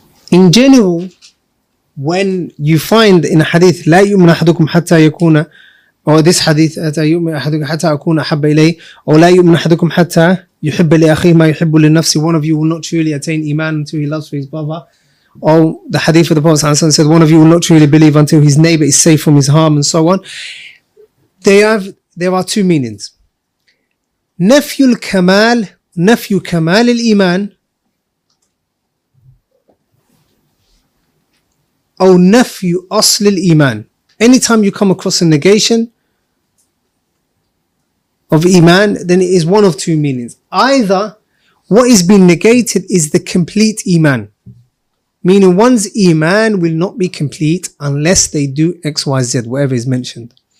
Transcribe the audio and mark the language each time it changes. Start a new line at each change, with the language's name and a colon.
English: In general, when you find in a hadith
Arabic: لا يؤمن أحدكم حتى يكون,
English: or this hadith
Arabic: أتى يؤمن أحدكم حتى أكون أحب إليه,
English: or
Arabic: لا يؤمن أحدكم حتى يحب لأخيه ما يحب للنفس,
English: one of you will not truly attain iman until he loves for his brother, or the hadith of the Prophet ﷺ said one of you will not truly believe until his neighbor is safe from his harm, and so on. There are two meanings.
Arabic: نفي الكمال الإيمان أو نفي أصل الإيمان.
English: Anytime you come across a negation of iman, then it is one of two meanings. Either what is being negated is the complete iman, meaning one's iman will not be complete unless they do X, Y, Z, whatever is mentioned.